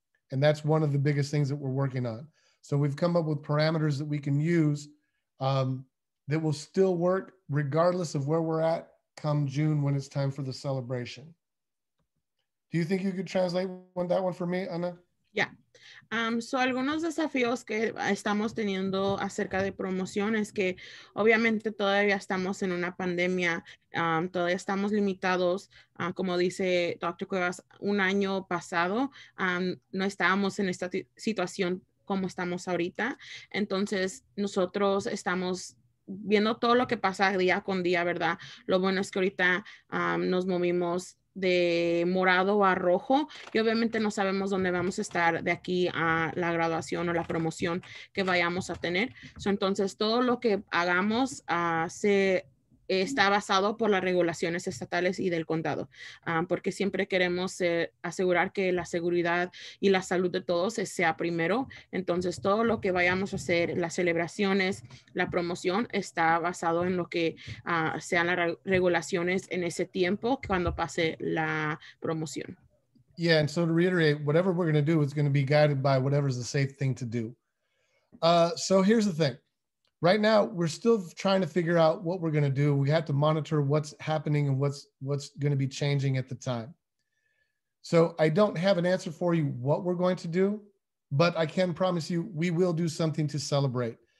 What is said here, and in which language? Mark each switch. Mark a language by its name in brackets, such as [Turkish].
[English] And that's one of the biggest things that we're working on. So we've come up with parameters that we can use that will still work regardless of where we're at come June when it's time for the celebration. Do you think you could translate that one for me, Ana? [Spanish] So algunos desafíos que estamos teniendo acerca de promoción es que obviamente todavía estamos en una pandemia, todavía estamos limitados, como dice Dr. Cuevas, un año pasado no estábamos en esta situación como estamos ahorita. Entonces nosotros estamos viendo todo lo que pasa día con día, ¿verdad? Lo bueno es que ahorita nos movimos de morado a rojo y obviamente no sabemos dónde vamos a estar de aquí a la graduación o la promoción que vayamos a tener. Entonces todo lo que hagamos está basado por las regulaciones estatales y del condado, porque siempre queremos asegurar que la seguridad y la salud de todos sea primero. Entonces todo lo que vayamos a hacer, las celebraciones, la promoción, está basado en lo que sean las regulaciones en ese tiempo cuando pase la promoción. [English] Yeah, and so to reiterate, whatever we're going to do is going to be guided by whatever is the safe thing to do. So here's the thing. Right now, we're still trying to figure out what we're going to do. We have to monitor what's happening and what's going to be changing at the time. So I don't have an answer for you what we're going to do, but I can promise you we will do something to celebrate.